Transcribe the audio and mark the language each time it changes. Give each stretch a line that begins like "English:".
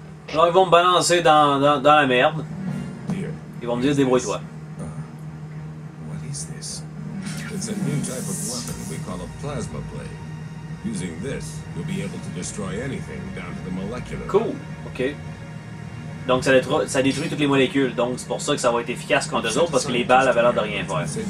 French: Alors ils vont me balancer dans la merde. Ils vont me dire débrouille-toi.
English: What is this? It's a new type of weapon we call a plasma blade. Using this, you'll be able to destroy anything down to the molecular. Cool. Ok.
French: Donc ça détruit toutes les molécules. Donc c'est pour ça que ça va être efficace contre eux autres parce que les balles avaient l'air de rien faire.